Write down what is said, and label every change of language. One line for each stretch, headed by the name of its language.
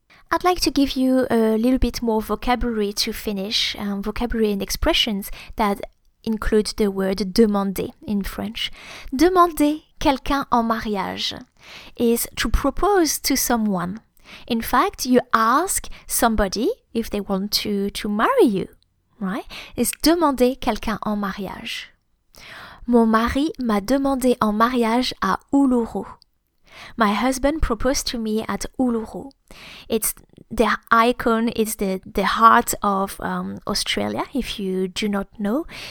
English: I'd like to give you a little bit more vocabulary to finish, vocabulary and expressions that include the word demander in French. Demander quelqu'un en mariage is to propose to someone. In fact, you ask somebody if they want to marry you, right?
French: It's demander quelqu'un en mariage. Mon mari m'a demandé en mariage à Uluru.
English: My husband proposed to me at Uluru. It's the icon, it's the heart of Australia, if you do not know.